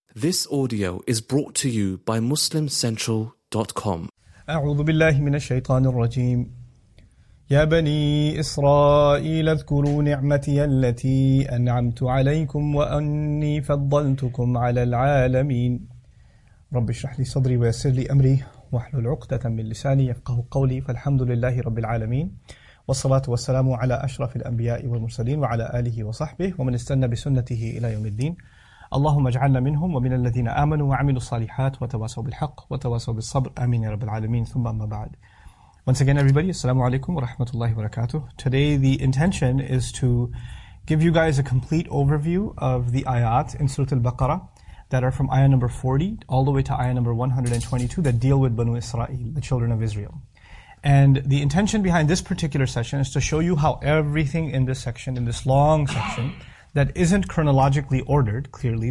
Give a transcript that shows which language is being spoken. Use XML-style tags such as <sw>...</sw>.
<en>This audio is brought to you by MuslimCentral.com.</en> <ar>أعوذ بالله من الشيطان الرجيم. يا بني إسرائيل اذكروا نعمتي التي أنعمت عليكم وأني فضلتكم على العالمين. رب اشرح لي صدري ويسر لي أمري واحلل عقدة من لساني يفقه قولي. فالحمد لله رب العالمين. والصلاة والسلام على أشرف الأنبياء والمرسلين وعلى آله وصحبه ومن استنى بسنته إلى يوم الدين. اللهم اجعلنا منهم ومن الذين آمنوا وعملوا الصالحات وتواصوا بالحق وتواصوا بالصبر آمين يا رب العالمين ثم أما بعد.</ar> <en>Once again everybody, assalamu alaikum wa rahmatullahi wa barakatuh. Today the intention is to give you guys a complete overview of the ayat in Surah Al-Baqarah that are from ayah number 40 all the way to ayah number 122 that deal with Banu Israel, the children of Israel. And the intention behind this particular session is to show you how everything in this section, in this long section, that isn't chronologically ordered, clearly.</en>